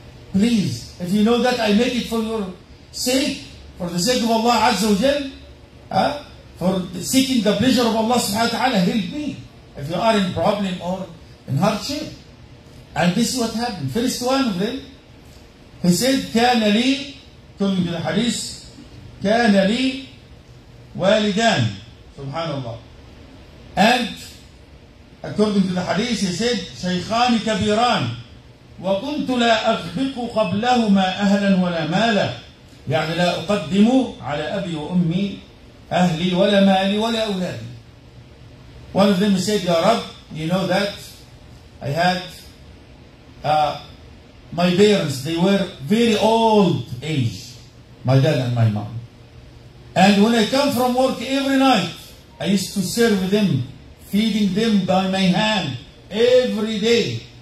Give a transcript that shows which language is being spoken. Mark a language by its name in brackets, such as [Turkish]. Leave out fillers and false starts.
[English] Please, if you know that I make it for your sake, for the sake of Allah Azza wa Jal, for seeking the pleasure of Allah subhanahu wa ta'ala, help me. If you are in problem or in hardship. And this is what happened. First one of them, he said, [Arabic] كَانَ لِي, [English] told me the hadith, [Arabic] كَانَ لِي وَالِدَان. Subhanallah. [English] And according to the hadith, he said, [Arabic] شيخان كبيران وكنت لا أغبق قبلهما أهلا ولا مالا يعني لا أقدم على أبي وأمي أهلي ولا مالي ولا أولادي. [English] One of them said, [Arabic] يا رب, [English] you know that I had my parents, they were very old age, my dad and my mom. And when I come from work every night, I used to serve them, feeding them by my hand every day.